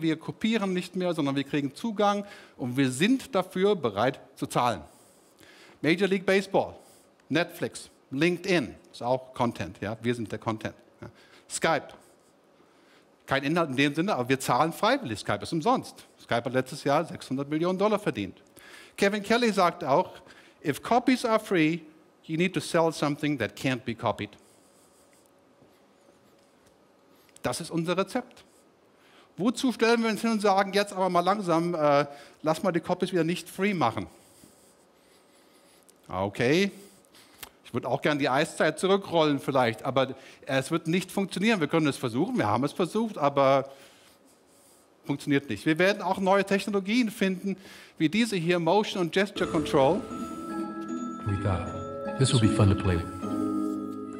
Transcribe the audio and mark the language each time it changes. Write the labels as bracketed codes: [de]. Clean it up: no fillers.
[de] Wir kopieren nicht mehr, sondern wir kriegen Zugang und wir sind dafür bereit zu zahlen. Major League Baseball, Netflix, LinkedIn ist auch Content, ja, wir sind der Content. Ja. Skype, kein Inhalt in dem Sinne, aber wir zahlen freiwillig, Skype ist umsonst. Skype hat letztes Jahr $600 Millionen verdient. [en] Kevin Kelly [de] sagt auch, [en] if copies are free, you need to sell something that can't be copied. [de] Das ist unser Rezept. Wozu stellen wir uns hin und sagen, jetzt aber mal langsam, lass mal die Copies wieder nicht free machen. Okay. Ich würde auch gerne die Eiszeit zurückrollen vielleicht, aber es wird nicht funktionieren. Wir können es versuchen, wir haben es versucht, aber funktioniert nicht. Wir werden auch neue Technologien finden, wie diese hier, Motion und Gesture Control. [en] We thought, this would be fun to play with.